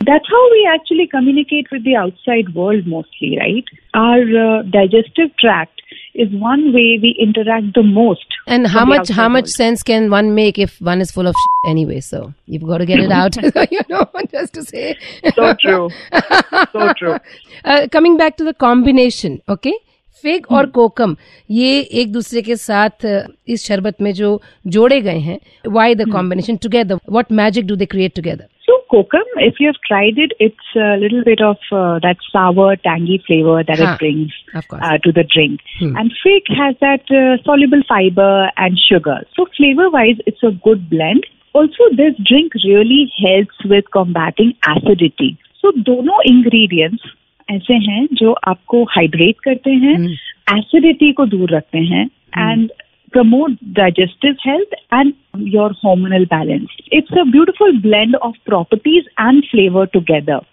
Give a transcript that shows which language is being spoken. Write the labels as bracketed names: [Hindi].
[English] That's how we actually communicate with the outside world mostly, right? Our digestive tract is one way we interact the most. And how much sense can one make if one is full of shit anyway? So you've got to get it out, you know, just to say. So true. Coming back to the combination, okay? [Hindi] Fig और कोकम, ये एक दूसरे के साथ इस शरबत में जो जोड़े गए हैं, [English] Why the combination together, what magic do they create together? So kokum, if you have tried it, it's a little bit of that sour tangy flavour that it brings to the drink, and fig has that soluble fibre and sugar, so flavour wise it's a good blend. Also this drink really helps with combating acidity. [Hindi] सो दोनों ingredients ऐसे हैं जो आपको hydrate करते हैं, acidity को दूर रखते हैं, and [English] promote digestive health and your hormonal balance. It's a beautiful blend of properties and flavor together.